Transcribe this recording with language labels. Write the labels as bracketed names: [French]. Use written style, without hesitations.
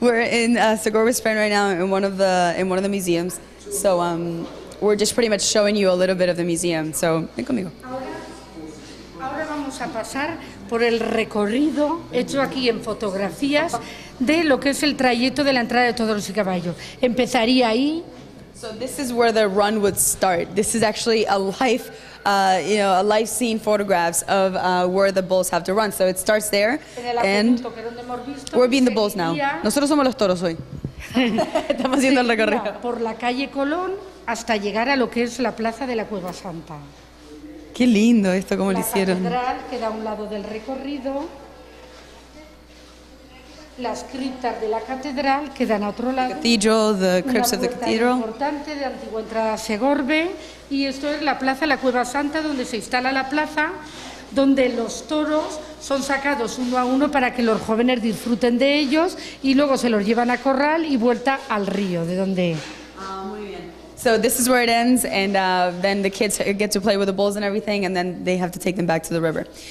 [English] We're in Segorbe, Spain right now, in one of the museums. So we're just pretty much showing you a little bit of the museum. So [Spanish] ven conmigo. Ahora vamos a pasar por el recorrido hecho aquí en fotografías de lo que es el trayecto de la entrada de Toros y Caballos. Empezaría ahí. [English] So this is where the run would start. This is actually a life, you know, a life scene photographs of where the bulls have to run. So it starts there, and we're being the bulls now. [Spanish] Nosotros somos los toros hoy. Estamos haciendo el recorrido. Por la calle Colón hasta llegar a lo que es la plaza de la Cueva Santa. Qué lindo esto, cómo lo hicieron. La catedral queda a un lado del recorrido. Las criptas de la catedral quedan a otro lado. [English] The crypts of the cathedral. [Spanish] Una puerta importante de antigua entrada a Segorbe. Y esto es la plaza, la Cueva Santa, donde se instala la plaza, donde los toros son sacados uno a uno para que los jóvenes disfruten de ellos y luego se los llevan a corral y vuelta al río, de donde... [English] So this is where it ends, and then the kids get to play with the bulls and everything, and then they have to take them back to the river.